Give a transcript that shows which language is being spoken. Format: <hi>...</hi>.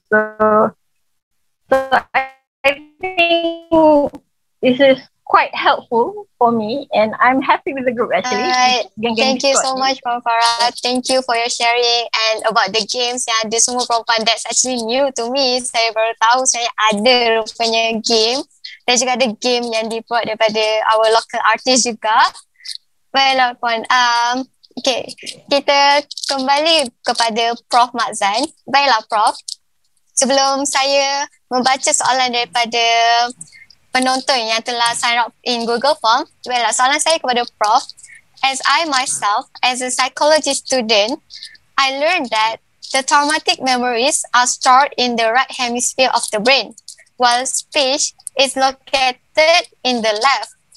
<en>So I think this is quite helpful for me, and I'm happy with the group actually. Thank you so much, Puan Farah. Thank you for your sharing and about the games. Yeah, this</en> <ms>semua perempuan,</ms> <en>that's actually new to me.</en> <ms>Saya baru tahu saya ada rupanya game. Dan juga ada game yang dibuat daripada</ms> <en>our local artist</en> <ms>juga. Baiklah, Puan. Okay, kita kembali kepada Prof. Mazan. Baiklah, Prof. Sebelum saya membaca soalan daripada penonton yang telah</ms> <en>sign up in Google Form,</en> <ms>baiklah, soalan saya kepada Prof.</ms> <en>As I myself, as a psychology student, I learned that the traumatic memories are stored in the right hemisphere of the brain, while speech is located in the left.</en>